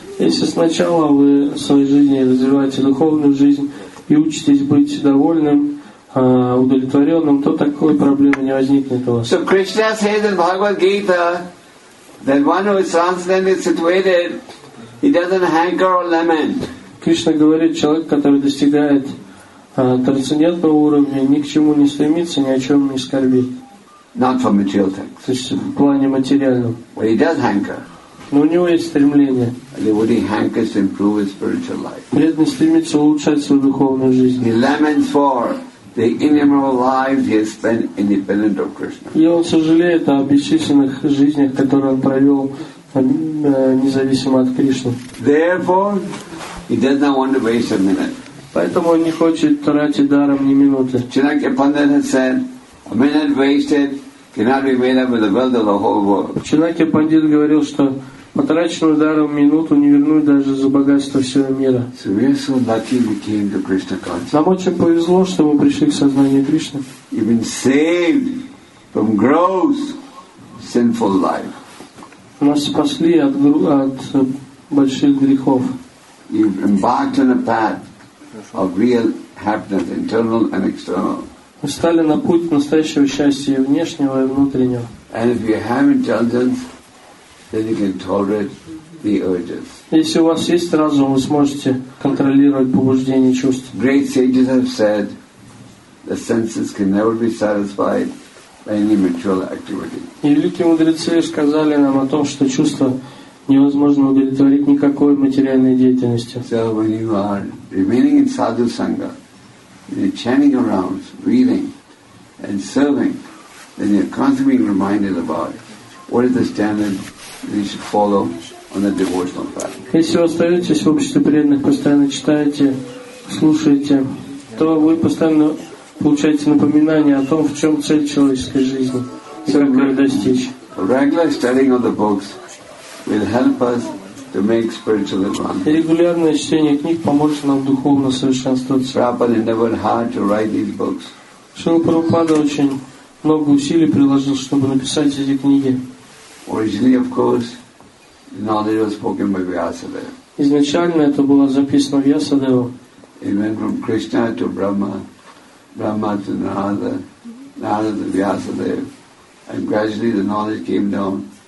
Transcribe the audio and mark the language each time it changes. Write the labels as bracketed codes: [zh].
[ru] Если сначала вы в своей жизни развиваете духовную жизнь и учитесь быть довольным, удовлетворенным, то такой проблемы не возникнет у вас. [en] So Krishna says in Bhagavad Gita that one who is transcendentally situated, he doesn't hanker or lament. [ru] Кришна говорит, человек, который достигает трансцендентного уровня, ни к чему не стремится, ни о чем не скорбит. [en] Not for material things. [ru] То есть в плане материальном. [en] But he does hanker. [ru] Но у него есть стремление. [en] Devotee hankers to improve his spiritual life. [ru] Преданный стремится улучшать свою духовную жизнь. [en] He laments for the innumerable lives he has spent independent of Krishna. [ru] И он сожалеет о бесчисленных жизнях, которые он провел независимо от Кришны. [en] Therefore, he does not want to waste a minute. [ru] Поэтому он не хочет тратить даром ни минуты. [en] Chanakya Pandit has said, "A minute wasted cannot be made up with the wealth of the whole world." [ru] Chanakya Pandit говорил, что потраченную даром минуту не вернуть даже за богатство всего мира. [en] So we are so lucky we came to Krishna consciousness. [ru] Нам очень повезло, что мы пришли к сознанию Кришны. [en] We've been saved from gross sinful life. [ru] Нас спасли от больших грехов. [en] You've embarked on a path of real happiness, internal and external. [ru] Вы стали на путь настоящего счастья, внешнего и внутреннего. [en] And if you have intelligence, then you can tolerate the urges. [ru] Если у вас есть разум, вы сможете контролировать побуждения и чувства. [en] Great sages have said, the senses can never be satisfied by any material activity. [ru] И великие мудрецы сказали нам о том, что чувства невозможно удовлетворить никакой материальной деятельности. [en] So when you are remaining in sadhu sangha, you're chanting around, reading, and serving, then you're constantly being reminded about what is the standard you should follow on the devotional path. [ru] Если вы остаетесь в обществе преданных, постоянно читаете, слушаете, то вы постоянно получаете напоминание о том, в чем цель человеческой жизни, и как ее достичь. [en] Regular studying of the books will help us to make spiritual advancement. [ru] Регулярное чтение книг поможет нам духовно совершенствоваться. [en] Prabhupada endeavored hard to write these books. [ru] Шрила Прабхупада очень много усилий приложил, чтобы написать эти книги. [en] Originally, of course, knowledge was spoken by Vyasadeva. [ru] Изначально это было записано Вьясадева. [en] It went from Krishna to Brahma, Brahma to Narada, Narada to Vyasadeva, and gradually the knowledge came down.